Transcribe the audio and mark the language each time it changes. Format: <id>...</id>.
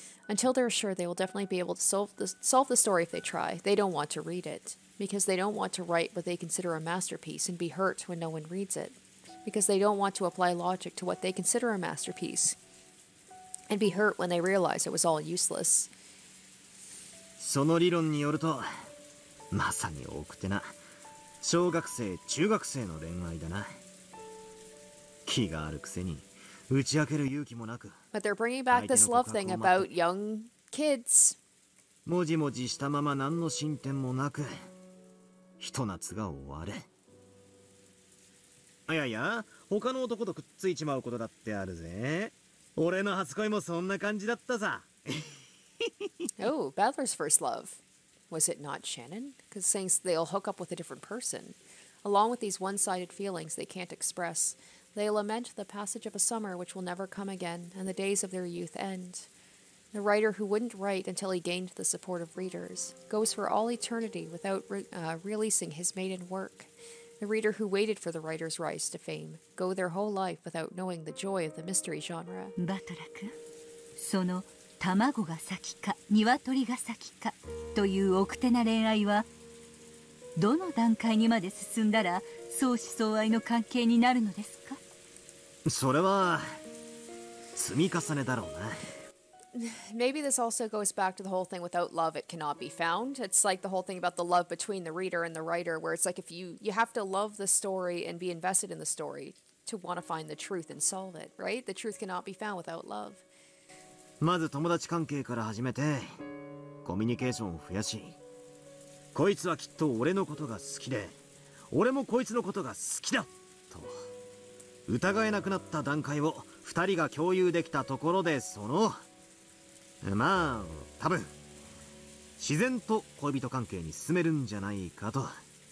<en>Until they're sure they will definitely be able to solve the story if they try, they don't want to read it. Because they don't want to write what they consider a masterpiece and be hurt when no one reads it. Because they don't want to apply logic to what they consider a masterpiece and be hurt when they realize it was all useless.</en> <ja>その理論によると、まさに奥手な小学生、中学生の恋愛だな。気があるくせに打ち明ける勇気もなく。</ja> <en>But they're bringing back this love thing about young kids.</en> <ja>もじもじしたまま何の進展もなく、ひと夏が終わる。いやいや、他の男とくっついちまうことだってあるぜ。俺の初恋もそんな感じだったさ。</ja> <en>Oh, Balthor's first love. Was it not Shannon? Because saying they'll hook up with a different person. Along with these one-sided feelings they can't express, they lament the passage of a summer which will never come again, and the days of their youth end. The writer who wouldn't write until he gained the support of readers goes for all eternity without releasing his maiden work. The reader who waited for the writer's rise to fame go their whole life without knowing the joy of the mystery genre.</en> <ja>Batara-kun, その卵が先か鶏が先かという奥手な恋愛はどの段階にまで進んだら相思相愛の関係になるのですか？それは積み重ねだろうな。</ja> <en>Maybe this also goes back to the whole thing without love it cannot be found. It's like the whole thing about the love between the reader and the writer, where it's like if you have to love the story and be invested in the story to want to find the truth and solve it, right? The truth cannot be found without love.</en> <ja>まず友達関係から始めてコミュニケーションを増やし、こいつはきっと俺のことが好きで俺もこいつのことが好きだと疑えなくなった段階を二人が共有できたところで、そのまあ多分自然と恋人関係に進めるんじゃないかと。</ja>